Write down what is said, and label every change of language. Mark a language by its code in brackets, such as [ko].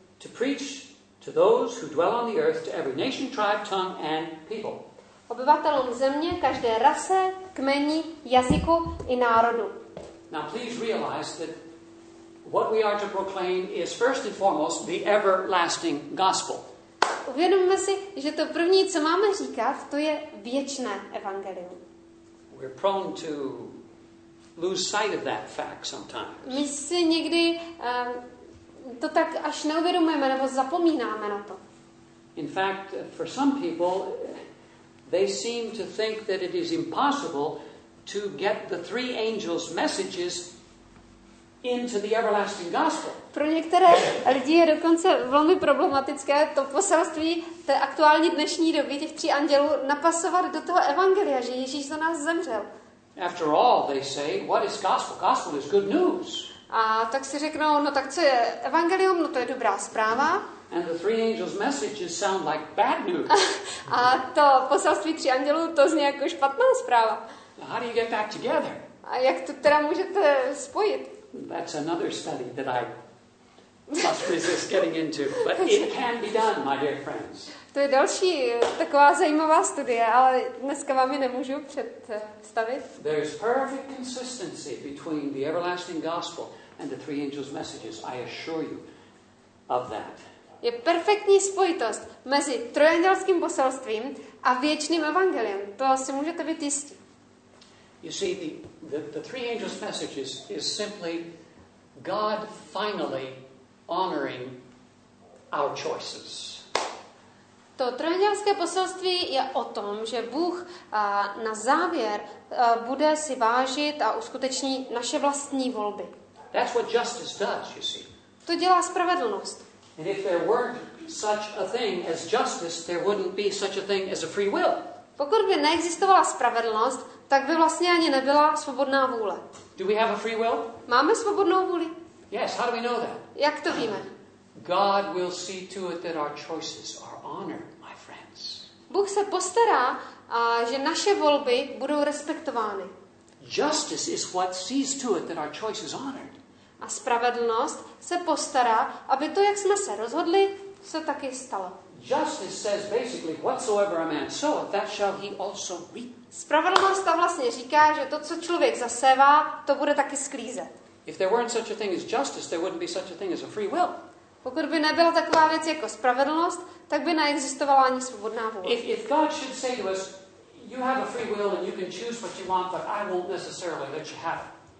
[en] To preach to those who dwell on the earth, to every nation, tribe, tongue and people. [cs] Obyvatelům země, každé rase, kmeni, jazyku i národu. [en] Now please realize that what we are to proclaim is first and foremost the everlasting gospel. [cs] Uvědomme si, že to první, co máme říkat, to je věčné evangelium. [en] We're prone to lose sight of that fact sometimes. [cs] My si někdy to tak až neuvědomujeme nebo zapomínáme na to. [en] In fact, for some people they seem to think that it is impossible to get the three angels' messages into the everlasting gospel. [cs] Pro některé lidi je dokonce velmi problematické to poselství té aktuální dnešní doby těch tří andělů napasovat do toho evangelia, že Ježíš za nás zemřel. [en] After all, they say, what is gospel? Gospel is good news. [cs] A tak si řeknou, no tak co je evangelium? No to je dobrá zpráva. [en] And the three angels' messages sound like bad news. [cs] A to poselství tří andělů, to zní jako špatná zpráva. [en] Now, how do you get back together? [cs] A jak to teda můžete spojit? [en] That's another study that I must resist getting into, but it can be done, my dear friends. [cs] To je další taková zajímavá studie, ale dneska vám ji nemůžu představit. [en] There is perfect consistency between the everlasting gospel and the three angels' messages. I assure you of that. [cs] Je perfektní spojitost mezi trojandělským poselstvím a věčným evangeliem. To si můžete být jistí. [en] You see, the three angels' message is simply God finally honoring our choices. [cs] To trojandělské poselství je o tom, že Bůh na závěr bude si vážit a uskuteční naše vlastní volby. [en] That's what justice does, you see. [cs] To dělá spravedlnost. [en] And if there weren't such a thing as justice, there wouldn't be such a thing as a free will. [cs] Pokud by neexistovala spravedlnost, tak by vlastně ani nebyla svobodná vůle. [en] Do we have a free will? [cs] Máme svobodnou vůli? [en] Yes, how do we know that? [cs] Jak to víme? [en] God will see to it that our choices are honored, my friends. [cs] Bůh se postará, že naše volby budou respektovány. [en] Justice is what sees to it that our choice is honored. [cs] A spravedlnost se postará, aby to, jak jsme se rozhodli, se taky stalo. [en] Justice says basically whatsoever a man soweth, that shall he also reap. [cs] Spravedlnost ta vlastně říká, že to, co člověk zasevá, to bude taky sklízet. [en] If there weren't such a thing as justice, there wouldn't be such a thing as a free will. [cs] Pokud by nebyla taková věc jako spravedlnost, tak by neexistovala ani svobodná vůle. [en] If God should say to us, you have a free will and you can choose what you want, but I won't necessarily let you have it.